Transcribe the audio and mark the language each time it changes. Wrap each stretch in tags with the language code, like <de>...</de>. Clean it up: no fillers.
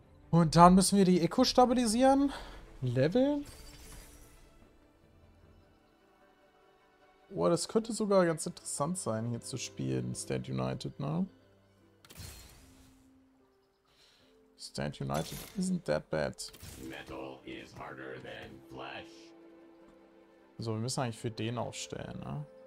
<de>Und dann müssen wir die Echo stabilisieren. Leveln. Boah, das könnte sogar ganz interessant sein, hier zu spielen. Stand United, ne?</de> <en>Stand United isn't that bad. Metal is harder than flesh.</en> <de>So, wir müssen eigentlich für den aufstellen, ne?</de>